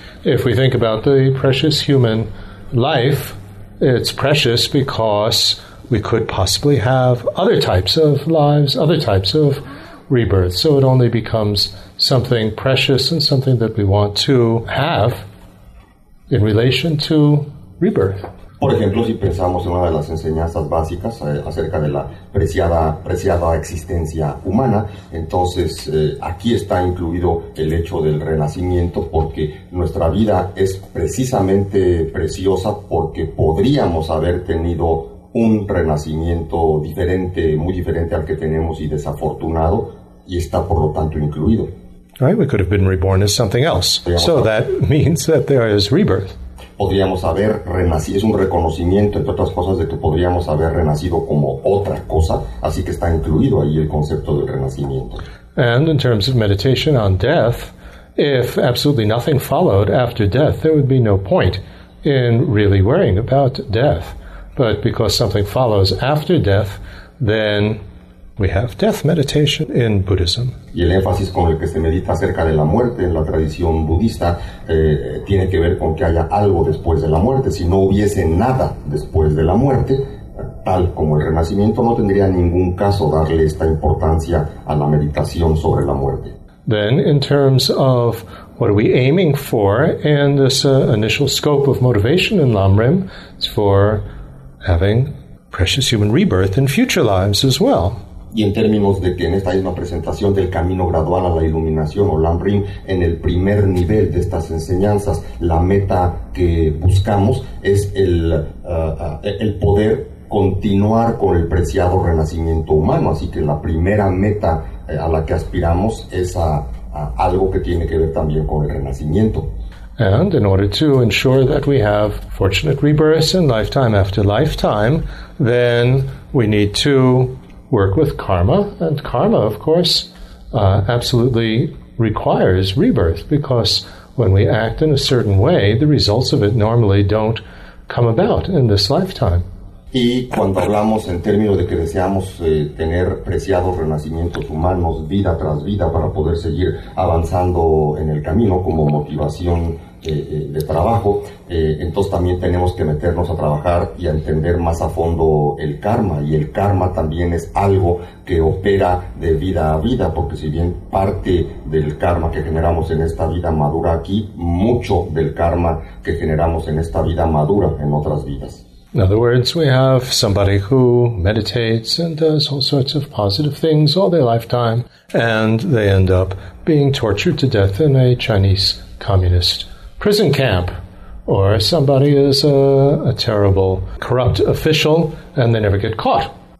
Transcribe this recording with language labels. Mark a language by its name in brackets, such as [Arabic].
[English] If we think about the precious human life, it's precious because we could possibly have other types of lives, other types of rebirth. So it only becomes something precious and something that we want to have in relation to rebirth. [Spanish] Por ejemplo, si pensamos en una de las enseñanzas básicas acerca de la preciada existencia humana, entonces aquí está incluido el hecho del renacimiento porque nuestra vida es precisamente preciosa porque podríamos haber tenido un renacimiento diferente, muy diferente al que tenemos y desafortunado, y está por lo tanto incluido. [English] Right, we could have been reborn as something else. So that means that there is rebirth. [Spanish] Podríamos haber renacido, es un reconocimiento, entre otras cosas, de que podríamos haber renacido como otra cosa, así que está incluido ahí el concepto del renacimiento. [English] And in terms of meditation on death, if absolutely nothing followed after death, there would be no point in really worrying about death. But because something follows after death, then we have death meditation in Buddhism. [Spanish] Y el énfasis con el que se medita acerca de la muerte en la tradición budista tiene que ver con que haya algo después de la muerte. Si no hubiese nada después de la muerte, tal como el renacimiento, no tendría ningún caso darle esta importancia a la meditación sobre la muerte. [English] Then, in terms of what are we aiming for in this initial scope of motivation in Lamrim, it's for having precious human rebirth in future lives as well. [Spanish] Y en términos de que en esta misma presentación del camino gradual a la iluminación o Lamrim, en el primer nivel de estas enseñanzas, la meta que buscamos es el poder continuar con el preciado renacimiento humano. Así que la primera meta a la que aspiramos es a algo que tiene que ver también con el renacimiento. [English] And in order to ensure that we have fortunate rebirths in lifetime after lifetime, then we need to work with karma. And karma, of course, absolutely requires rebirth, because when we act in a certain way, the results of it normally don't come about in this lifetime. [Spanish] Y cuando hablamos en términos de que deseamos tener preciados renacimientos humanos vida tras vida para poder seguir avanzando en el camino como motivación de trabajo, entonces también tenemos que meternos a trabajar y a entender más a fondo el karma. Y el karma también es algo que opera de vida a vida, porque si bien parte del karma que generamos en esta vida madura aquí, mucho del karma que generamos en esta vida madura en otras vidas. [English] In other words, we have somebody who meditates and does all sorts of positive things all their lifetime, and they end up being tortured to death in a Chinese communist prison camp. Or somebody is a terrible corrupt official and they never get caught.